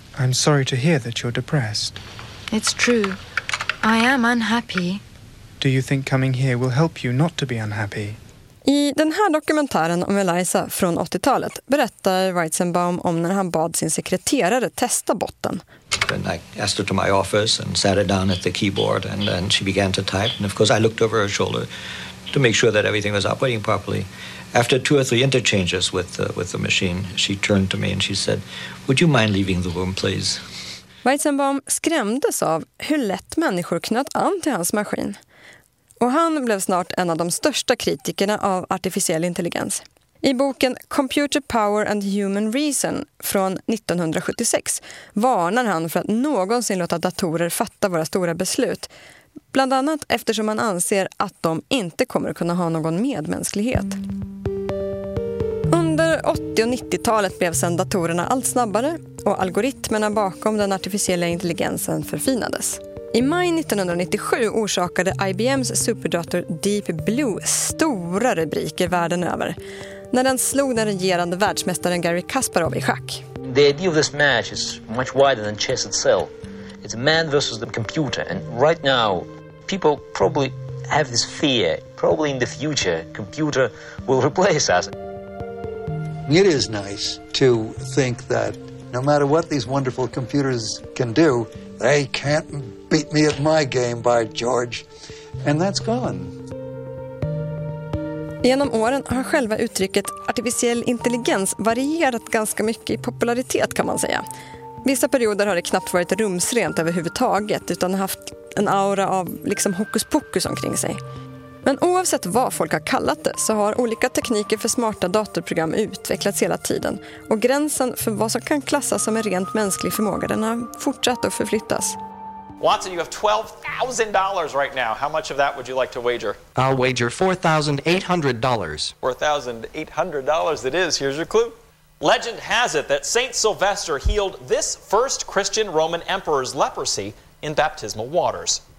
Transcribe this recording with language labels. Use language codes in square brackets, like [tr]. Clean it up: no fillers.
[en] I'm sorry to hear that you're depressed. It's true. I am unhappy. Do you think coming here will help you not to be unhappy? [sv] I den här dokumentären om Eliza från 80-talet berättar Weizenbaum om när han bad sin sekreterare testa botten. [en] And I asked her to my office and sat her down at the keyboard and then she began to type. And of course I looked over her shoulder to make sure that everything was operating properly. After two or three interchanges with the machine, she turned to me and she said, "Would you mind leaving the room, please?" [sv] Weizenbaum skrämdes av hur lätt människor knöt an till hans maskin. Och han blev snart en av de största kritikerna av artificiell intelligens. I boken Computer Power and Human Reason från 1976 varnar han för att någonsin låta datorer fatta våra stora beslut. Bland annat eftersom man anser att de inte kommer att kunna ha någon medmänsklighet. Under 80- och 90-talet blev sedan datorerna allt snabbare och algoritmerna bakom den artificiella intelligensen förfinades. I maj 1997 orsakade IBMs superdator Deep Blue stora rubriker världen över när den slog den regerande världsmästaren Garry Kasparov i schack. [en] The idea of this match is much wider than chess itself. It's man versus the computer, and right now people probably have this fear. Probably in the future computer will replace us. It is nice to think that no matter what these wonderful computers can do, they can't beat me at my game, by George. And that's gone. [sv] Genom åren har själva uttrycket artificiell intelligens varierat ganska mycket i popularitet, kan man säga. Vissa perioder har det knappt varit rumsrent överhuvudtaget, utan haft en aura av liksom hokus pokus omkring sig. Men oavsett vad folk har kallat det så har olika tekniker för smarta datorprogram utvecklats hela tiden. Och gränsen för vad som kan klassas som en rent mänsklig förmåga, den har fortsatt att förflyttas. [en] Watson, you have $12,000 right now. How much of that would you like to wager? I'll wager $4,800. $4,800 it is. Here's your clue. Legend has it that Saint Sylvester healed this first Christian Roman emperor's leprosy in baptismal waters.